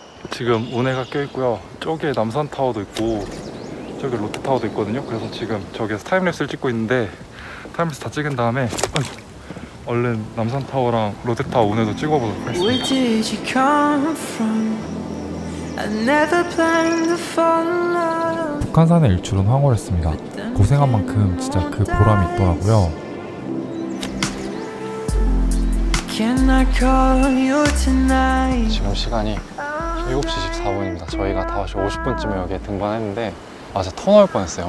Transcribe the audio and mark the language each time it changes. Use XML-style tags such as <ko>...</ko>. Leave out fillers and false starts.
<ko>지금 운해가 껴있고요. 저기에 남산타워도 있고 저기 롯데타워도 있거든요. 그래서 지금 저기에서 타임랩스를 찍고 있는데 타임랩스 다 찍은 다음에 얼른 남산타워랑 롯데타워 운해도 찍어보도록 하겠습니다.</ko> <en>Where did you come from? I never planned to fall in love.</en> <ko>북한산의 일출은 황홀했습니다. 고생한 만큼 진짜 그 보람이 있더라고요.</ko> <en>Can I call you tonight?</en> <ko>지금 시간이 7시 14분입니다. 저희가 5시 50분쯤에 여기에 등반했는데 아 진짜 터널 뻔했어요.</ko>